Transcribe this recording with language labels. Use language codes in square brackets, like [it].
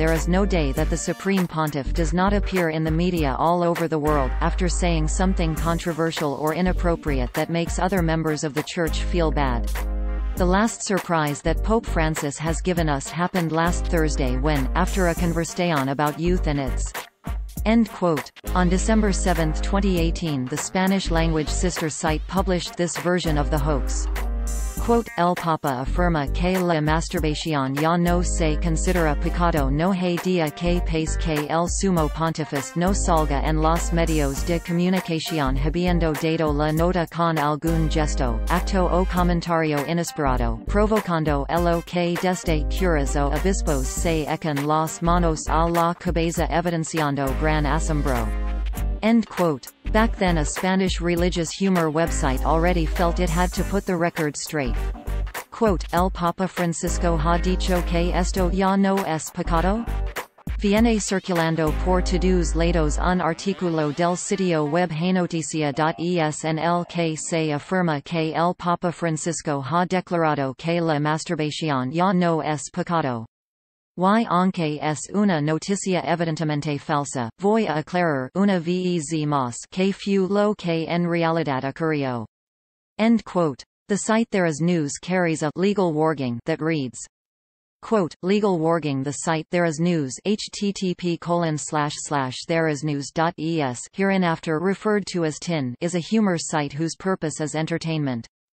[en] There is no day that the Supreme Pontiff does not appear in the media all over the world, after saying something controversial or inappropriate that makes other members of the church feel bad. The last surprise that Pope Francis has given us happened last Thursday when, after a conversation about youth and its, end quote. On December 7, 2018, the Spanish-language sister site published this version of the hoax. [es] Quote, El Papa afirma que la masturbación ya no se considera pecado no hay día que pase que el sumo pontifice no salga en los medios de comunicación habiendo dado la nota con algún gesto, acto o comentario inesperado, provocando lo que desde curas o obispos se echan las manos a la cabeza evidenciando gran asombro. [en] End quote. Back then, a Spanish religious humor website already felt it had to put the record straight. [es] Quote, El Papa Francisco ha dicho que esto ya no es pecado? Viene circulando por todos lados un artículo del sitio web Heynoticia.es en el que se afirma que el Papa Francisco ha declarado que la masturbación ya no es pecado. Y aunque es una noticia evidentemente falsa, voy a aclarar una vez más que fue lo que en realidad ocurrió. [en] End quote. The site There Is News carries a legal warning that reads, quote, legal warning, the site There Is News http://thereisnews.es hereinafter referred to as TIN is a humor site whose purpose is entertainment.